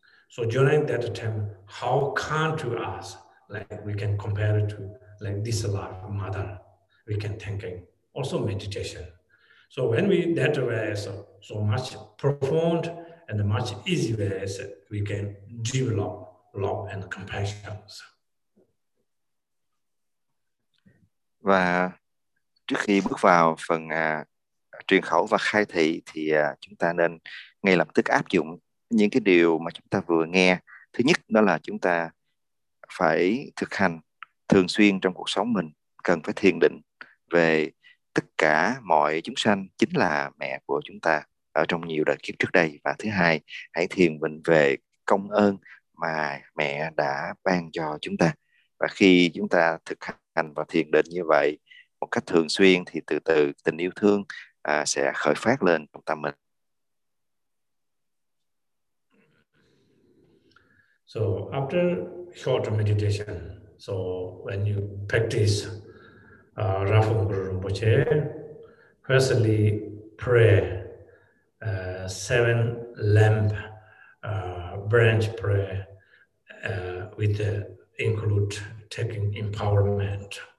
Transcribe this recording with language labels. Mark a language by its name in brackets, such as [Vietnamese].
[English] So during that time, how kind to us, like we can compare it to like this life, mother, we can thinking, also meditation. So when we that way, so much profound and much easier ways, we can develop love and compassion. [Vietnamese] Và trước khi bước vào phần truyền khẩu và khai thị thì chúng ta nên ngay lập tức áp dụng những cái điều mà chúng ta vừa nghe. Thứ nhất đó là chúng ta phải thực hành thường xuyên trong cuộc sống mình, cần phải thiền định về tất cả mọi chúng sanh chính là mẹ của chúng ta ở trong nhiều đời kiếp trước đây. Và thứ hai, hãy thiền định về công ơn mà mẹ đã ban cho chúng ta. Và khi chúng ta thực hành và thiền định như vậy một cách thường xuyên thì từ từ tình yêu thương sẽ khởi phát lên trong tâm mình. [English] So after short meditation, so when you practice Rinpoche Rinpoche, firstly pray seven lamp branch prayer with include taking empowerment.